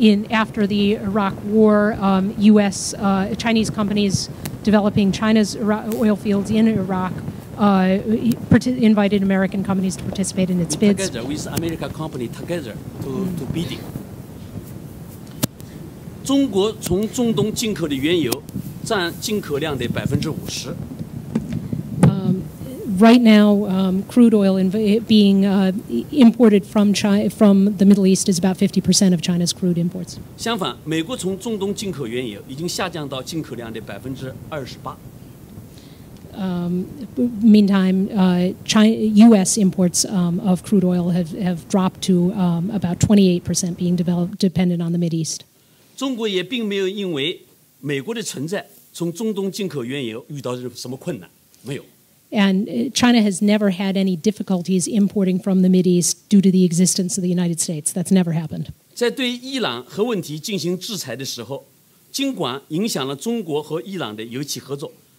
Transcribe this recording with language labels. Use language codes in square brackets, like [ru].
[en] After the Iraq War, U.S. Chinese companies developing China's oil fields in Iraq invited American companies to participate in its bids. Together with American company together to bidding. [zh] 中国从中东进口的原油占进口量的50%。 [en] right now, crude oil being imported from China, from the Middle East is about 50% of China's crude imports. [zh] 相反, 美国从中东进口原油已经下降到进口量的 28%。 [en] Meantime, China, U.S. imports of crude oil have dropped to about 28% being dependent on the Middle East. [zh] 中国也并没有因为美国的存在从中东进口原油遇到什么困难，没有。 [en] And China has never had any difficulties importing from the Middle East due to the existence of the United States. That's never happened. [zh] 在对伊朗核问题进行制裁的时候，尽管影响了中国和伊朗的油气合作。